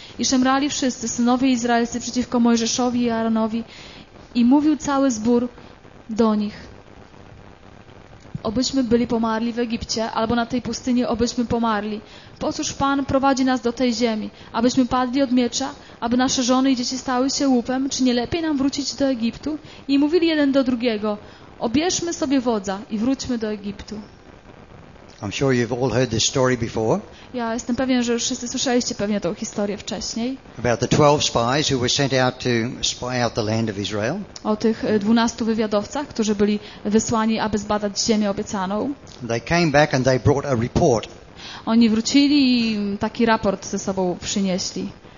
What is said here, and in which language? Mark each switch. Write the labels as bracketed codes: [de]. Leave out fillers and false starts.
[pl] I szemrali wszyscy synowie izraelscy przeciwko Mojżeszowi i Aaronowi, i mówił cały zbór do nich: obyśmy byli pomarli w Egipcie, albo na tej pustyni obyśmy pomarli. Po cóż Pan prowadzi nas do tej ziemi? Abyśmy padli od miecza? Aby nasze żony i dzieci stały się łupem? Czy nie lepiej nam wrócić do Egiptu? I mówili jeden do drugiego: obierzmy sobie wodza i wróćmy do Egiptu. [en] I'm sure you've all heard this story before. [pl] Ja jestem pewien, że już wszyscy słyszeliście pewnie tą historię wcześniej. [en] About the 12 spies who were sent out to spy out the land of Israel. [pl] O tych 12 wywiadowcach, którzy byli wysłani, aby zbadać ziemię obiecaną. [en] They came back and they brought a report. [pl] Oni wrócili i taki raport ze sobą przynieśli.